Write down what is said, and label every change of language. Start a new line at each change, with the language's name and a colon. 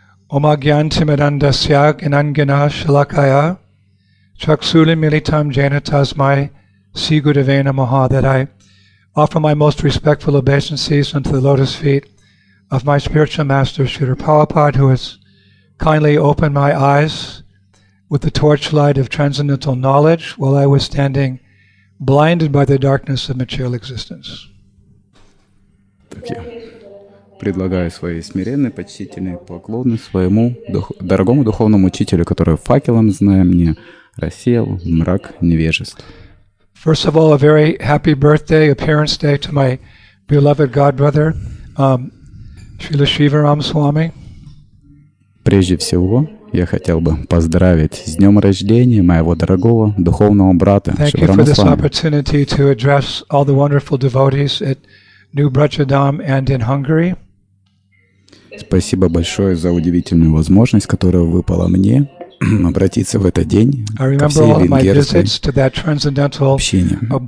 Sanskrit: Om Agyan Timirandasya Gnanjana Shalakaya Chakshuli Militam Janatas My Sigurave Namaha,
English: that I offer my most respectful obeisances unto the lotus feet of my spiritual master, Srila Prabhupada, who has kindly opened my eyes with the torchlight of transcendental knowledge while I was standing blinded by the darkness of material existence. Thank you.
Russian: Предлагаю свои смиренные, почтительные поклоны своему дорогому духовному учителю, который факелом, зная мне, рассеял мрак невежества.
English: First of all, a very happy birthday, appearance day to my beloved godbrother, Srila Sivaram Swami.
Russian: Прежде всего, я хотел бы поздравить с днем рождения моего дорогого духовного брата Sivaram Swami.
English: Thank you for this opportunity to address all the wonderful devotees at New Brajadam and in Hungary.
Russian: Спасибо большое за удивительную возможность, которая выпала мне обратиться в этот день ко всей венгерской общине.